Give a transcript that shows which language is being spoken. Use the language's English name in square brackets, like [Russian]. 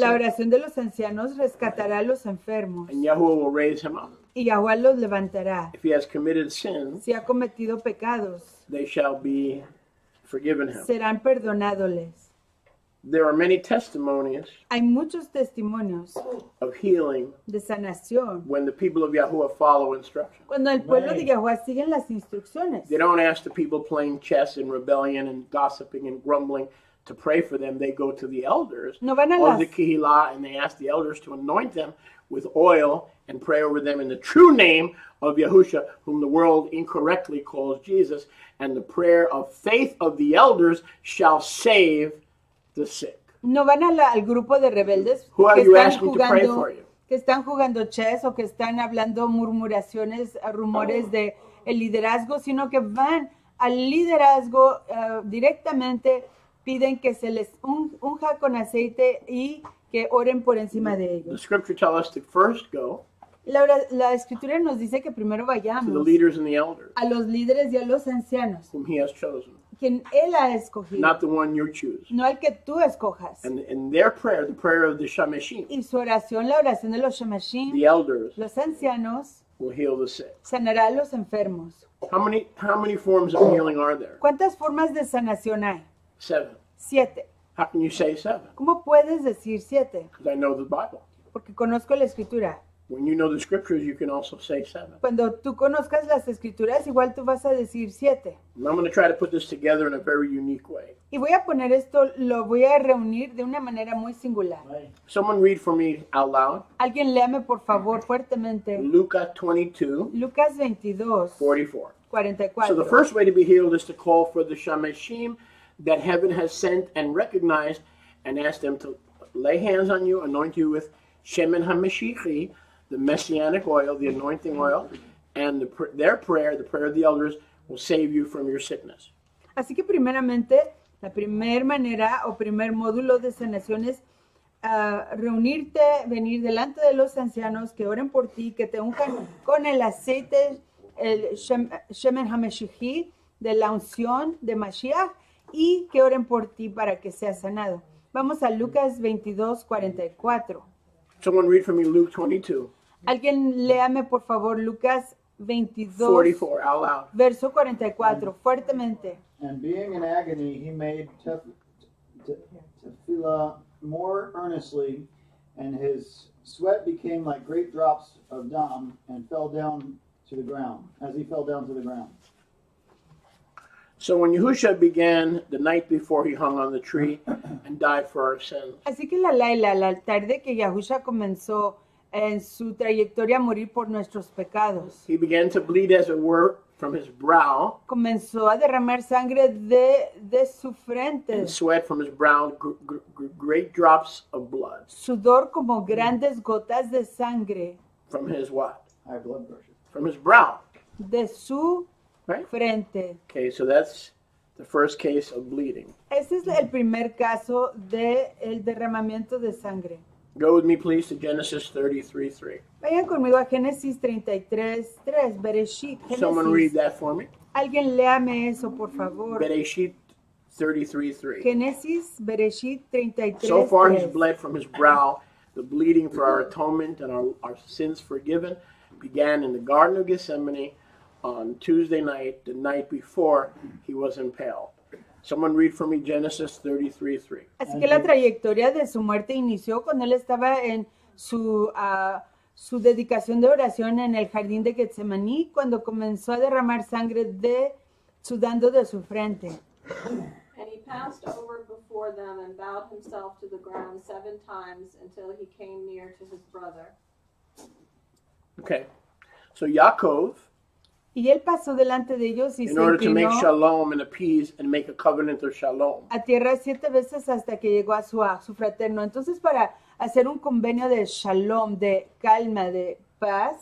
[Spanish] La oración de los ancianos rescatará a los enfermos. [English] And Yahuwah will raise him up. [Spanish] Y Yahuwah los levantará. [English] If he has committed sin, [Spanish] si ha cometido pecados, [English] they shall be forgiven him. [Spanish] Serán perdonadoles. [English] There are many testimonies. [Spanish] Hay muchos testimonios [English] of healing. [Spanish] De sanación. [English] When the people of Yahuwah follow instructions. [Spanish] Cuando el pueblo de Yahuwah siguen las instrucciones. [English] They don't ask the people playing chess in rebellion and gossiping and grumbling to pray for them. They go to the elders [Spanish] no van a [English] of the Kehillah and they ask the elders to anoint them with oil and pray over them in the true name of Yahusha, whom the world incorrectly calls Jesus. And the prayer of faith of the elders shall save the sick. [Spanish] No van a al grupo de rebeldes [English] who are [Spanish] que [English] you [Spanish] están [English] asking [Spanish] jugando, [English] to pray for you? [Spanish] Que están jugando chess o que están hablando murmuraciones, rumores de el liderazgo, sino que van al liderazgo directamente, piden que se les unja con aceite y que oren por encima de ellos. [English] The scripture tells us to first go. [Spanish] La escritura nos dice que primero vayamos [English] to the leaders and the elders, [Spanish] a los líderes y a los ancianos. [English] Whom he has chosen. [Spanish] Quien él ha escogido, [English] not the one you choose. [Spanish] No el que tú escojas. [English] And their prayer, the prayer of the shamashim. [Spanish] Y su oración, la oración de los shamashim. [English] The elders. [Spanish] Los ancianos. [English] Will heal the sick. [Spanish] Sanará a los enfermos. [English] How many forms of healing are there? [Spanish] ¿Cuántas formas de sanación hay? [English] Seven. [Spanish] Siete. [English] How can you say seven? [Spanish] ¿Cómo puedes decir siete? [English] Because I know the Bible. [Spanish] Porque conozco la escritura. [English] When you know the scriptures, you can also say seven. [Spanish] Cuando tú conozcas las escrituras, igual tú vas a decir siete. [English] And I'm going to try to put this together in a very unique way. [Spanish] Y voy a poner esto, lo voy a reunir de una manera muy singular. [English] Right. Someone read for me out loud. [Spanish] Alguien léame, por favor, fuertemente. Lucas 22. Lucas 22. 44. [English] So the first way to be healed is to call for the shamashim that heaven has sent and recognized and ask them to lay hands on you, anoint you with Shemen HaMashichi, the messianic oil, the anointing oil, and their prayer, the prayer of the elders, will save you from your sickness. [Spanish] Así que primeramente, la primer manera o primer módulo de sanación es reunirte, venir delante de los ancianos, que oren por ti, que te unjan con el aceite, el Shemen HaMashichi, de la unción de Mashiach, y que oren por ti para que seas sanado. Vamos a Lucas 22:44. [English] Someone read for me Luke 22. [Spanish] Alguien léame, por favor, Lucas 22. [English] 44, out loud. [Spanish] Verso 44, and, fuertemente. [English] And being in agony, he made tefillah more earnestly, and his sweat became like great drops of dam, and fell down to the ground, as he fell down to the ground. So when Yahusha began the night before he hung on the tree and died for our sins. [Spanish] Así que la tarde que Yahusha comenzó en su trayectoria a morir por nuestros pecados. [English] He began to bleed, as it were, from his brow. [Spanish] Comenzó a derramar sangre de su frente. [English] And sweat from his brow, great drops of blood. [Spanish] Sudor como grandes gotas de sangre. [English] From his what? High blood pressure. From his brow. [Spanish] De su right? Frente. [English] Okay, so that's the first case of bleeding. [Spanish] Ese es el primer caso de el derramamiento de sangre. [English] Go with me, please, to Genesis 33:3. [Spanish] Vayan conmigo a Génesis 33:3. Bereshit. Genesis. [English] Someone read that for me. [Spanish] Alguien léame eso, por favor. [English] Bereshit 33:3. Genesis, Bereshit 33:3. So far, he's bled from his brow. The bleeding for our atonement and our sins forgiven began in the Garden of Gethsemane on Tuesday night, the night before he was impaled. Someone read for me Genesis 33:3. [Spanish] Así que la trayectoria de su muerte inició cuando él estaba en su dedicación de oración en el jardín de Getsemaní, cuando comenzó a derramar sangre sudando de su frente. [English] And he passed over before them and bowed himself to the ground seven times until he came near to his brother. Okay. So Yaakov, [Spanish] y él pasó delante de ellos y [English] in [Spanish] se [English] order to make shalom and appease and make a covenant of shalom. [Spanish] A tierra siete veces hasta que llegó a su fraterno. Entonces, para hacer un convenio de shalom, de calma, de paz.